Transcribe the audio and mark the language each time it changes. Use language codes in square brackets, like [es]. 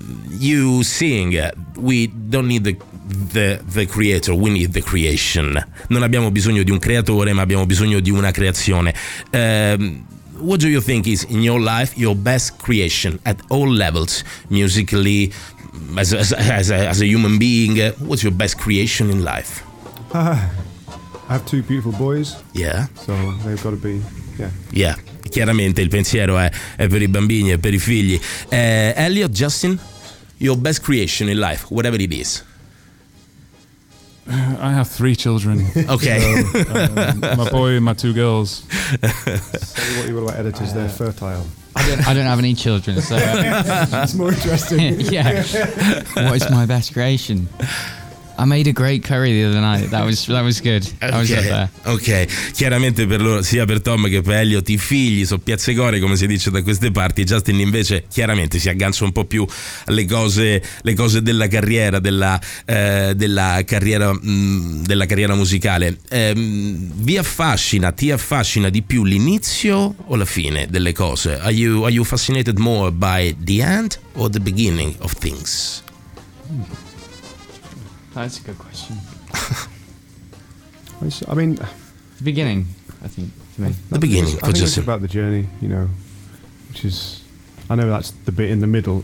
[en] You sing, we don't need the creator, we need the creation. [it] Non abbiamo bisogno di un creatore, ma abbiamo bisogno di una creazione. [en] What do you think is in your life your best creation at all levels, musically, as a human being? What's your best creation in life? I have two beautiful boys. Yeah. So they've got to be. Yeah. Yeah. [it] Chiaramente il pensiero è per i bambini e per i figli. [en] Elliot, Justin, your best creation in life, whatever it is. I have three children. Okay. So, my boy and my two girls. Say what you will about editors, they're fertile. I don't have any children, so... It's more interesting. Yeah. What is my best creation? I made a great curry the other night. That was good. Okay. [it] Chiaramente per loro, sia per Tom che per Elliot, i figli sono piazze core, come si dice da queste parti. Justin invece chiaramente si aggancia un po' più alle cose, le cose della carriera, della carriera musicale. Ti affascina di più l'inizio o la fine delle cose? [en] Are you fascinated more by the end or the beginning of things? That's a good question. I mean, the beginning, I think, for me. The beginning, for Justin. It's about the journey, you know, which is, I know that's the bit in the middle.